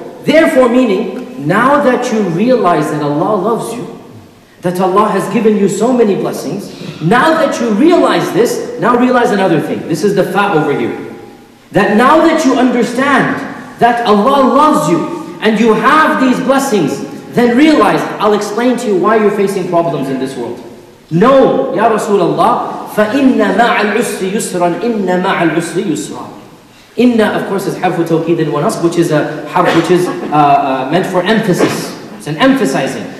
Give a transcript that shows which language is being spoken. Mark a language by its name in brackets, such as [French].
[English] Therefore meaning, now that you realize that Allah loves you, that Allah has given you so many blessings, now that you realize this, now realize another thing. This is the fa over here. That now that you understand that Allah loves you and you have these blessings, then realize, I'll explain to you why you're facing problems in this world. No, [Arabic] Ya Rasulullah, فَإِنَّ مَعَ الْعُسْرِ يُسْرًا إِنَّ مَعَ الْعُسْرِ يُسْرًا. [English] إِنَّ, of course, is [Arabic] حَرْفُ تَوْكِيدٍ وَنَصْبٍ, [English] which is a harf, which is meant for emphasis. It's an emphasizing.